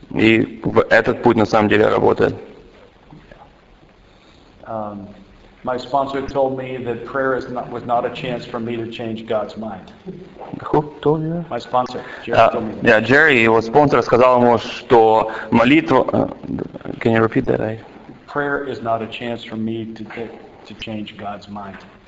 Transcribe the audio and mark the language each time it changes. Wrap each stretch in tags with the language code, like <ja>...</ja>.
<ru>И этот путь на самом деле работает.</ru> <en>My sponsor told me that prayer was not a chance for me to change God's mind. Who told you? My sponsor, Jerry told me that.</en> <ru>Yeah, Jerry, его спонсор сказал ему, что молитва.</ru> <en>Can you repeat that? Prayer is not a chance for me to change God's mind.</en>